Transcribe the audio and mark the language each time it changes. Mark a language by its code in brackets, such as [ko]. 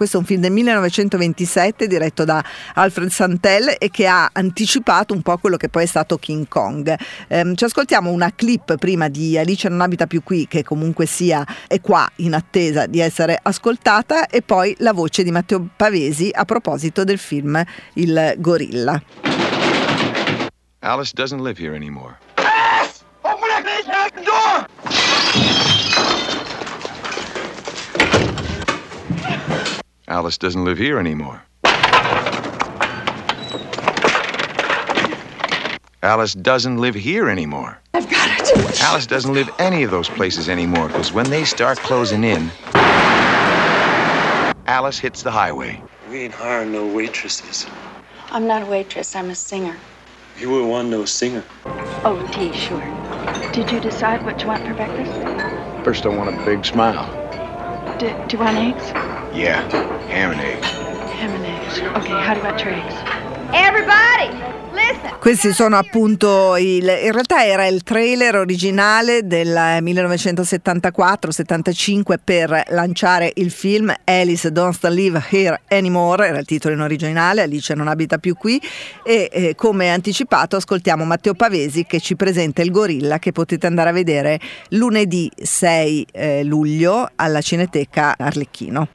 [it] Questo è un film del 1927 diretto da Alfred Santel e che ha anticipato un po' quello che poi è stato King Kong. Ci ascoltiamo una clip prima di Alice non abita più qui, che comunque sia è qua in attesa di essere ascoltata, e poi la voce di Matteo Pavesi a proposito del film Il Gorilla. [en] Alice doesn't live here anymore. Alice doesn't live here anymore. Alice doesn't live here anymore. I've got it. Alice doesn't live any of those places anymore, because when they start closing in, Alice hits the highway. We ain't hiring no waitresses. I'm not a waitress, I'm a singer. You wouldn't want no singer. Oh, tea, sure. Did you decide what you want for breakfast? First, I want a big smile. Do you want eggs? Yeah, ham and eggs. Ham and eggs. Okay, how about your eggs? Everybody, listen. [it] Questi sono appunto in realtà era il trailer originale del 1974-75 per lanciare il film Alice Don't Live Here Anymore, era il titolo in originale, Alice non abita più qui, e come anticipato ascoltiamo Matteo Pavesi che ci presenta il gorilla che potete andare a vedere lunedì 6 luglio alla Cineteca Arlecchino.